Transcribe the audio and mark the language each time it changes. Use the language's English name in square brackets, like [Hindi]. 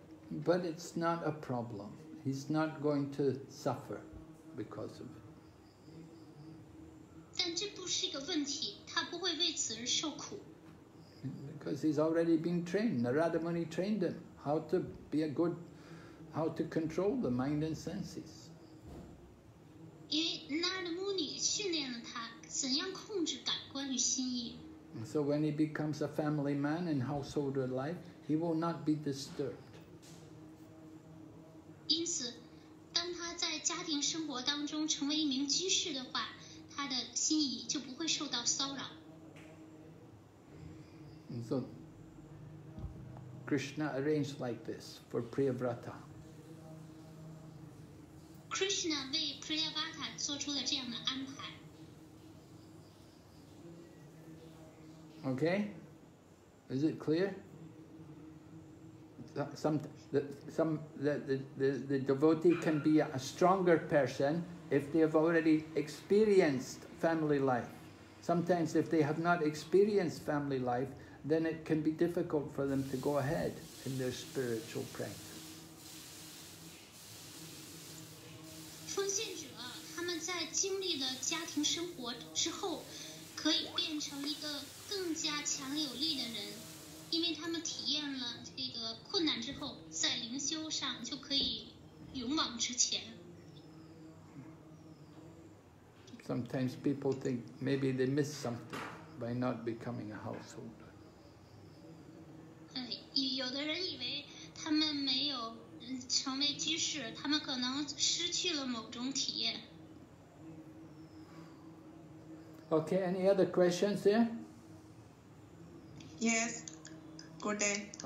[English] But it's not a problem. He's not going to suffer because of it. [Chinese] 是一个问题，他不会为此而受苦。 [English] Because he's already been trained. Narada Muni trained him how to be a good, how to control the mind and senses. [Chinese] 因为 Narada Muni 训练了他怎样控制感官与心意。 [English] So when he becomes a family man in householder life, he will not be disturbed. [Chinese] 因此，当他在家庭生活当中成为一名居士的话，他的心意就不会受到骚扰。 [English] And so Krishna arranged like this for Priyavrata. [Chinese] Krishna 为 Priyavrata 做出了这样的安排。 [English] Okay, is it clear? The devotee can be a stronger person if they have already experienced family life. Sometimes if they have not experienced family life,then it can be difficult for them to go ahead in their spiritual practice. [Chinese] 奉献者，他们在经历了家庭生活之后，可以变成一个更加强有力的人，因为他们体验了这个困难之后，在灵修上就可以勇往直前。 [English] Sometimes people think maybe they miss something by not becoming a householder. [Chinese] 有的人以为他们没有成为居士，他们可能失去了某种体验。 [English] Okay, any other questions here? Yes. Good day.